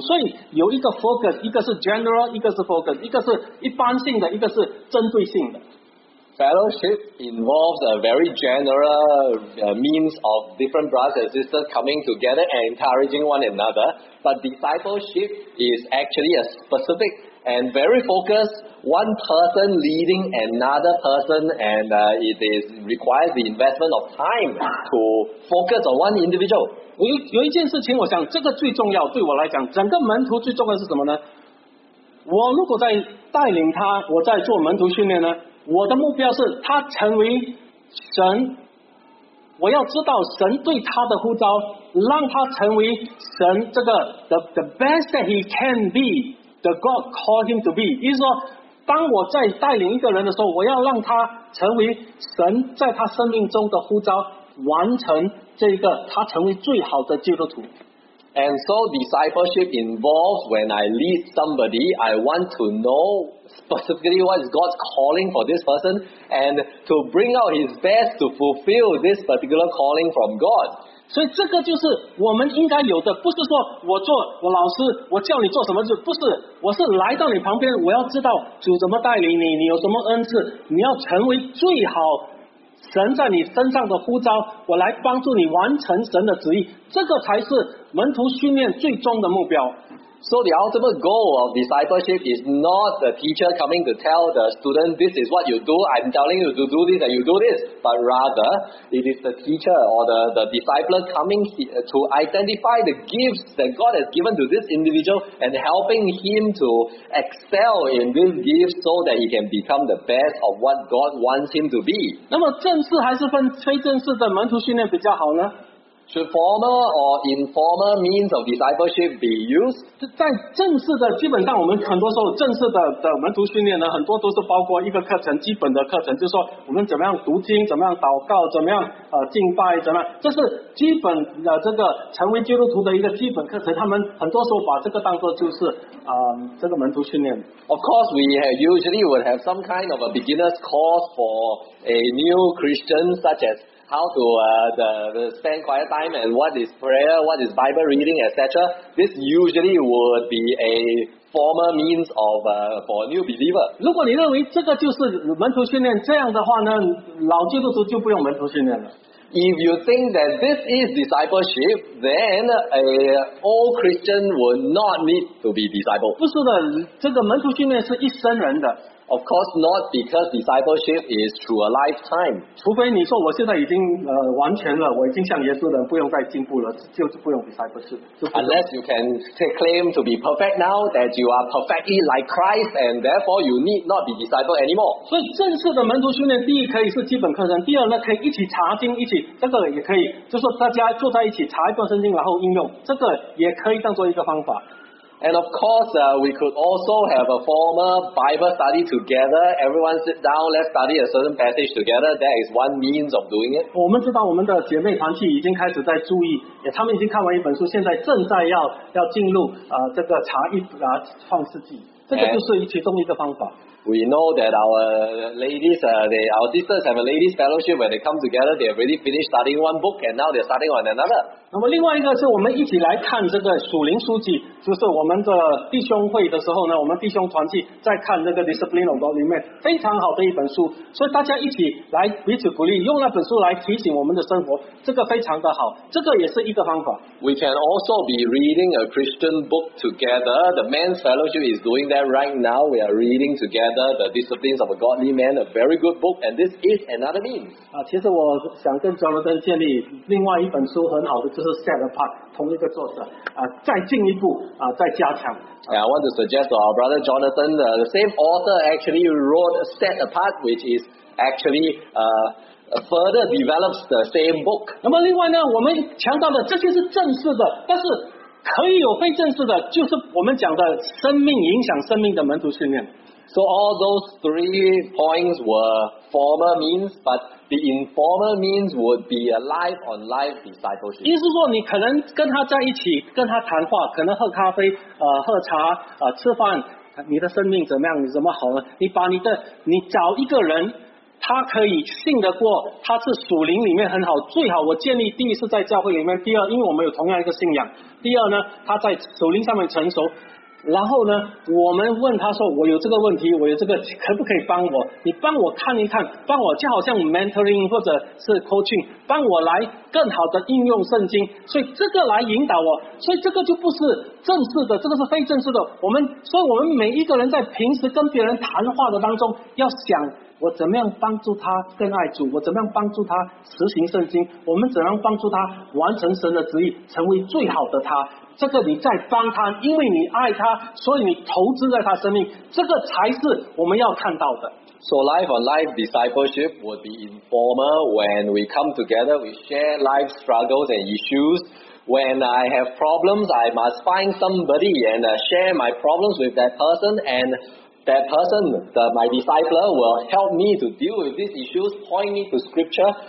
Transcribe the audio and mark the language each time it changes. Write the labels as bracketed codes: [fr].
[zh] 所以有一个 focus， 一个是 general， 一个是 focus， 一个是一般性的，一个是针对性的。 [en] Fellowship involves a very general means of different brothers and sisters coming together and encouraging one another. But discipleship is actually a specific and very focused one person leading another person, and it is requires the investment of time to focus on one individual. [zh] 有一件事情，我想这个最重要，对我来讲，整个门徒最重要是什么呢？我如果在带领他，我在做门徒训练呢？我的目标是他成为神，我要知道神对他的呼召，让他成为神这个 [en] the best that he can be, the God called him to be. [zh] 意思说，当我在带领一个人的时候，我要让他成为神在他生命中的呼召，完成这个他成为最好的基督徒。 [en] And so discipleship involves when I lead somebody, I want to know specifically what is God's calling for this person and to bring out his best to fulfill this particular calling from God. [zh] 所以这个就是我们应该有的，不是说我老师，我叫你做什么，不是，我是来到你旁边，我要知道主怎么带领你，你有什么恩赐，你要成为最好神在你身上的呼召，我来帮助你完成神的旨意，这个才是门徒训练最终的目标。 [en] So the ultimate goal of discipleship is not the teacher coming to tell the student this is what you do, I'm telling you to do this and you do this, but rather it is the teacher or the discipler coming to identify the gifts that God has given to this individual and helping him to excel in these gifts so that he can become the best of what God wants him to be. [zh] 那么正式还是分非正式的门徒训练比较好呢？ [en] Should formal or informal means of discipleship be used? [zh] 在正式的，基本上我们很多时候正式的门徒训练呢，很多都是包括一个课程，基本的课程，就是说我们怎么样读经，怎么样祷告，怎么样敬拜，怎么样，这是基本的这个成为基督徒的一个基本课程。他们很多时候把这个当作就是这个门徒训练。 [en] Of course, we have usually would have some kind of a beginner's course for a new Christian, such as. How to spend quiet time and what is prayer, what is Bible reading, etc. This usually would be a formal means of for a new believer. [zh] 如果你认为这个就是门徒训练这样的话呢，老基督徒就不用门徒训练了。 [en] If you think that this is discipleship, then a old Christian would not need to be disciple. [zh] 不是的，这个门徒训练是一生人的。 [en] Of course not, because discipleship is through a lifetime. [zh] 除非你说我现在已经完全了，我已经像耶稣了，不用再进步了，就是不用 discipleship。 [en] Unless you can claim to be perfect now that you are perfectly like Christ, and therefore you need not be disciple anymore. [zh] 所以正式的门徒训练，第一可以是基本课程，第二呢可以一起查经，一起这个也可以，就是大家坐在一起查一段圣经，然后应用，这个也可以当做一个方法。 [en] And of course, we could also have a formal Bible study together. Everyone sit down, let's study a certain passage together. That is one means of doing it. [zh] 我们知道我们的姐妹团契已经开始在注意，他们已经看完一本书，现在正在 要进入这个查一创世纪，这个就是其中一个方法。 [en] We know that our ladies, our sisters have a ladies fellowship. When they come together, they have already finished studying one book, and now they're starting on another. [zh] 那么另外一个是我们一起来看这个属灵书籍，就是我们的弟兄会的时候呢，我们弟兄团契在看这个 Discipline of Godliness， 非常好的一本书，所以大家一起来彼此鼓励，用那本书来提醒我们的生活，这个非常的好，这个也是一个方法。 [en] We can also be reading a Christian book together. The men's fellowship is doing that right now. We are reading together. The Disciplines of a Godly Man, a very good book, and this is another means. [zh] 其实我想跟 Jonathan 建立另外一本书，很好的就是 Set Apart， 同一个作者，再进一步，再加强。 [en] Yeah, I want to suggest to our brother Jonathan, the same author actually wrote Set Apart, which is actually further develops the same book. [zh] 那么另外呢，我们强调的这些是正式的，但是可以有非正式的，就是我们讲的生命影响生命的门徒训练。 [en] So all those three points were formal means, but the informal means would be a life on life discipleship. [zh] 意思说你可能跟他在一起跟他谈话，可能喝咖啡喝茶吃饭，你的生命怎么样，你怎么好了，你把你的你找一个人他可以信得过，他是属灵里面很好，最好我建立第一是在教会里面，第二因为我们有同样一个信仰，第二呢他在属灵上面成熟，然后呢我们问他说我有这个问题，我有这个可不可以帮我，你帮我看一看，帮我就好像 mentoring 或者是 coaching， 帮我来更好的应用圣经，所以这个来引导我，所以这个就不是正式的，这个是非正式的。我们所以我们每一个人在平时跟别人谈话的当中要想我怎么样帮助他更爱主，我怎么样帮助他实行圣经，我们怎样帮助他完成神的旨意，成为最好的他，这个你在帮他，因为你爱他，所以你投资在他生命，这个才是我们要看到的。 [en] So life on life discipleship would be informal. When we come together, we share life struggles and issues. When I have problems, I must find somebody and share my problems with that person. And that person, my discipler, will help me to deal with these issues, point me to scripture.